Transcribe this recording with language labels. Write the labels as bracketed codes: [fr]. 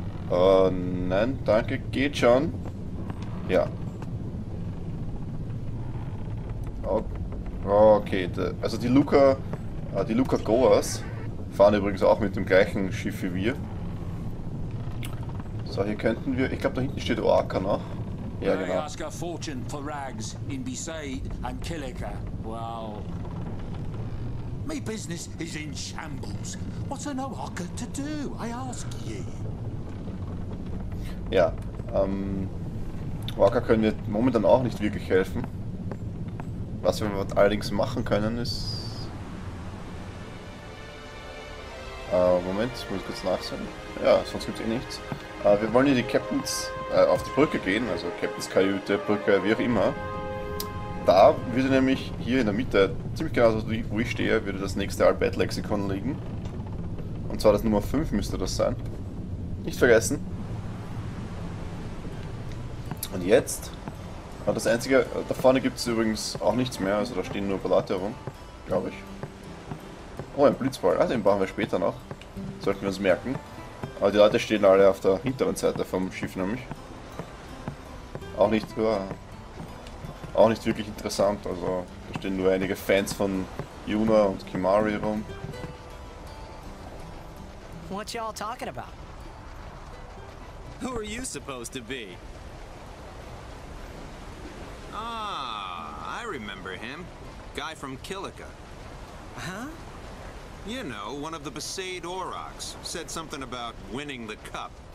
[de] Nein, danke, geht schon. Ja. Okay, also die Luca Goers fahren übrigens auch mit dem gleichen Schiff wie wir. So, hier könnten wir. Ich glaube, da hinten steht Oaka noch. Ja, genau. [en] They ask a fortune for rags in Besaid and Kilika. Well, my business is in shambles. What's an Oaka to do? I ask ye. [de] Ja, Oaka können wir momentan auch nicht wirklich helfen. Was wir allerdings machen können, ist. Moment, ich muss kurz nachsehen. Ja, sonst gibt's eh nichts. Wir wollen hier die Captains auf die Brücke gehen, also Captains Kajüte, Brücke, wie auch immer. Da würde nämlich hier in der Mitte, ziemlich genau so wo ich stehe, würde das nächste Albed Lexikon liegen. Und zwar das Nummer 5 müsste das sein. Nicht vergessen. Und jetzt, das einzige, da vorne gibt es übrigens auch nichts mehr, also da stehen nur Palate herum, glaube ich. Oh, ein Blitzball, ah, den brauchen wir später noch. Sollten wir uns merken. Aber die Leute stehen alle auf der hinteren Seite vom Schiff nämlich. Auch nicht wirklich interessant, also da stehen nur einige Fans von Yuna und Kimari rum. [en] What y'all talking about? Who are you supposed to be? Ah, I remember him. Guy from Kilika. Huh? You know, one of the Besaid Aurochs said something about winning the cup.